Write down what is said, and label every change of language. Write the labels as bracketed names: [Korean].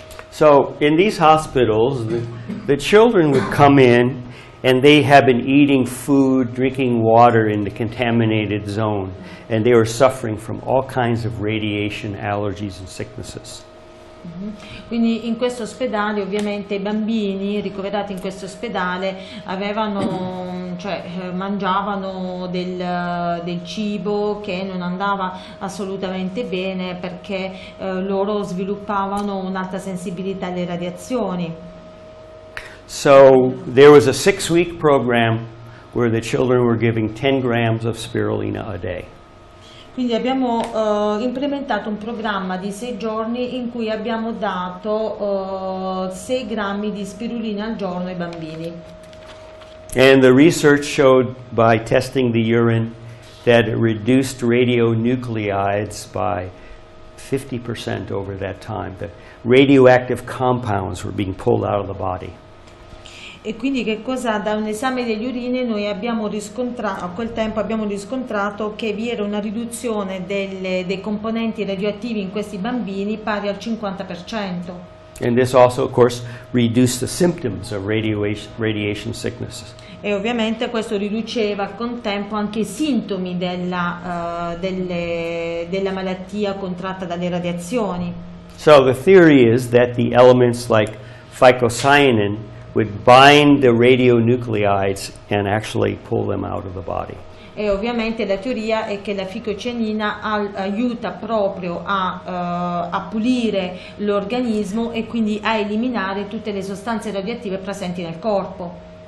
[English] So in these hospitals the children would come in and they have been eating food, drinking water in the contaminated zone, and they were suffering from all kinds of radiation allergies and sicknesses. [Italian] Quindi in questo ospedale ovviamente i bambini ricoverati in questo ospedale avevano, cioè mangiavano del cibo che non andava assolutamente bene, perché loro sviluppavano un'alta sensibilità alle radiazioni. [English] So there was a 6-week program where the children were giving 10 grams of spirulina a day. [Italian] Quindi abbiamo implementato un programma di 6 giorni in cui abbiamo dato 6 grammi di spirulina al giorno ai bambini. [English] And the research showed by testing the urine that it reduced radionuclides by 50% over that time, that radioactive compounds were being pulled out of the body. [Italian] E quindi che cosa? Da un esame degli urini noi abbiamo riscontrato, a quel tempo abbiamo riscontrato che vi era una riduzione dei componenti radioattivi in questi bambini pari al 50%. [English] And this also, of course, reduced the symptoms of radiation sickness. [Italian] E ovviamente questo riduceva con tempo anche i sintomi della malattia contratta dalle radiazioni. [English] So the theory is that the elements like phycocyanin would bind the radionuclides and actually pull them out of the body. [Italian] E ovviamente la teoria è che la ficocianina aiuta proprio a pulire l'organismo e quindi a eliminare tutte le sostanze radioattive presenti nel corpo.